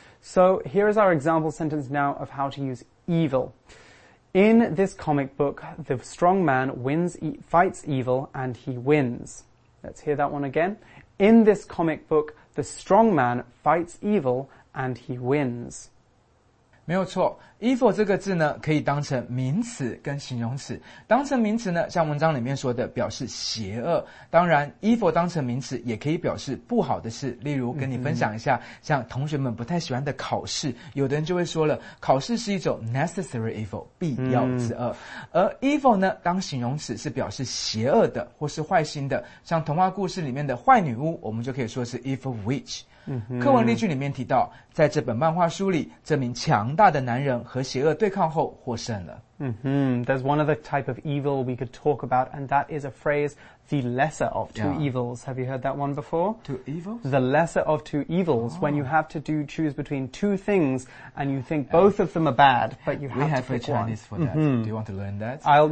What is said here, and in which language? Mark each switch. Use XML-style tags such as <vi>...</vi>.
<en>So here is our example sentence now of how to use evil. In this comic book, the strong man fights evil and he wins. Let's hear that one again. In this comic book, the strong man fights evil and he wins.</en> <zh>没有错 ,evil 这个字呢可以当成名词跟形容词。当成名词呢像文章里面说的表示邪恶。当然 ,evil 当成名词也可以表示不好的事。例如跟你分享一下像同学们不太喜欢的考试有的人就会说了考试是一种</zh> <en>necessary evil,</en> <zh>必要之恶。而 evil 呢当形容词是表示邪恶的或是坏心的。像童话故事里面的坏女巫我们就可以说是</zh> <en>evil witch。</en> <zh>课文例句里面提到在这本漫画书里这名强大的男人和邪恶对抗后获胜了。</zh> <en>There's one other type of evil we could talk about, and that is a phrase, the lesser of two evils. Have you heard that one before? Two evils? The lesser of two evils, when you have to choose between two things, and you think both of them are bad, but you have to pick one. We have a Chinese for that. Do you want to learn that?</en>